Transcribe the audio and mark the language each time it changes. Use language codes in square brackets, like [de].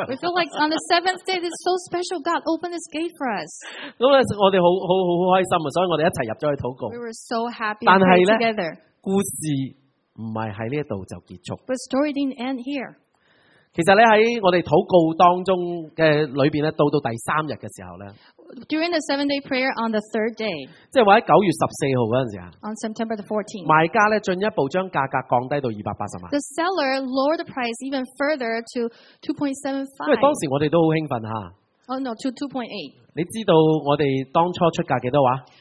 [en] We feel like on the seventh day, this is so special. God opened this gate for us. [yue] 咁咧，我哋好開心啊！所以我哋一齊入咗去禱告。 [en] We were so happy to pray together. [yue] 故事唔系喺呢一度就结束。 [en] The story didn't end here。 [yue] 其实咧喺我哋祷告当中嘅里边咧，到第三日嘅时候咧 [en] ，During the seven-day prayer on the third day， [yue] 即系话喺9月14日嗰阵时啊 [en] ，On September the 14th， [yue] 卖家咧进一步将价格降低到280万。 [en] The seller lowered the price even further to 2.75。 [yue] 因为当时我哋都好兴奋吓。 [en] Oh no, to 2.8。 [yue] 你知道我哋当初出价几多话